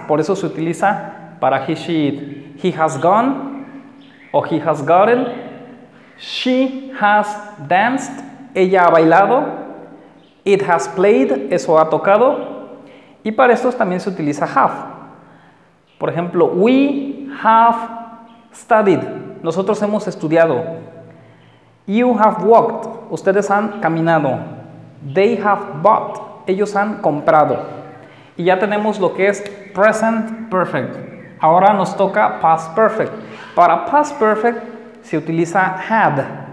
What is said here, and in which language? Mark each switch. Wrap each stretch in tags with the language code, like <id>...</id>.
<es>Por eso se utiliza para</es> <en>he, she, it. He has gone.</en> <es>O</es> <en>he has gotten. She has danced.</en> <es>Ella ha bailado.</es> <en>It has played.</en> <es>Eso ha tocado. Y para estos también se utiliza</es> <en>have.</en> <es>Por ejemplo,</es> <en>we have studied.</en> <es>Nosotros hemos estudiado.</es> <en>You have walked.</en> <es>Ustedes han caminado.</es> <en>They have bought.</en> <es>Ellos han comprado. Y ya tenemos lo que es</es> <en>present perfect.</en> <es>Ahora nos toca</es> <en>past perfect.</en> <es>Para past perfect se utiliza</es> <en>had.</en>